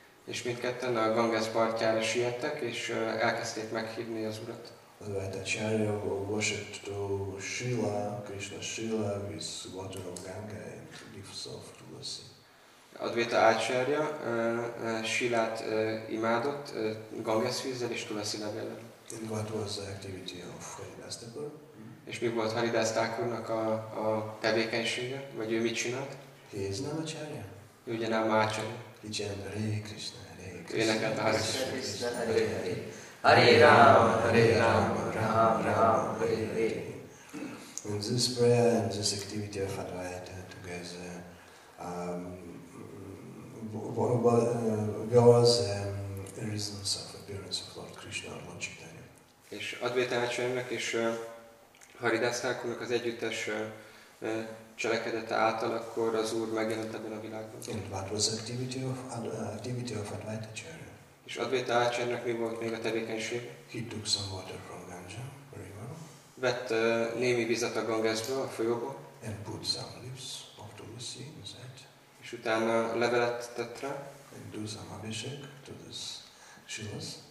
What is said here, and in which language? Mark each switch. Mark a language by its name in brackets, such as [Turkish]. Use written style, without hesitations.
[Hungarian] És mindketten a Ganges partjára siettek, és elkezdték meghívni az Urat. [English] Advaita Acharya worshipped to Srila, Krishna Srila, with water of Ganga and leaves of Tulasi. [Hungarian] Advaita Acharya Srilát imádott Ganges vízzel és Tulasi levéllel. [English] And what was the activity of Haridász Thakur? [Hungarian] És mi volt Haridász Thakurnak a tevékenysége? Vagy ő mit csinált? [English] He is not Acharya. [Hungarian] Ő ugye nem Acharya. [English] He chanted Hare Krishna, Hare Krishna. [Hungarian] Énekelt [Sanskrit] Hare Krishna, Hare Hare. Hare Rama, Hare Rama, Rama Rama, Hare Hare. [English] And this prayer and this activity of Advaita together was a reason of appearance of Lord Krishna or Lord Chaitanya. [Hungarian] És Advaita Acharyának és Haridász Thakurnak az együttes cselekedete által, akkor az Úr megjelent ebben a világban. [English] And what was the activity of Advaita Acharya? [Hungarian] És Advaita Acharyának mi volt még a tevékenység? [English] He took some water from Ganga River. [Hungarian] Vett némi vizet a Gangesből, a folyóból. [English] And put some leaves of Tulsi inside. [Hungarian] És utána levelet tett rá. [English] And do some abhishek to this Shilas.